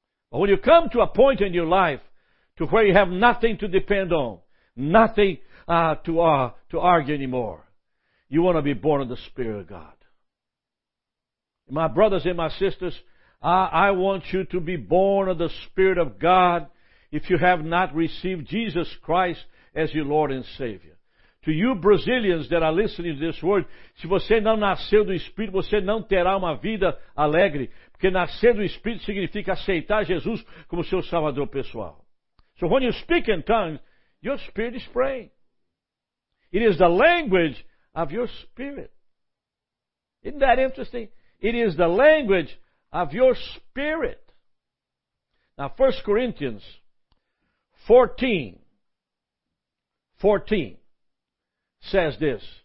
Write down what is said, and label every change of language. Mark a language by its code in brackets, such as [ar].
[en] But when you come to a point in your life to where you have nothing to depend on, nothing to argue anymore, you want to be born of the Spirit of God. My brothers and my sisters, I want you to be born of the Spirit of God if you have not received Jesus Christ as your Lord and Savior. To you Brazilians that are listening to this word, [pt] se você não nasceu do Espírito, você não terá uma vida alegre. Porque nascer do Espírito significa aceitar Jesus como seu Salvador pessoal. [en] So when you speak in tongues, your spirit is praying. It is the language of your spirit. Isn't that interesting? It is the language of your spirit. Now, 1 Corinthians 14:14 says this.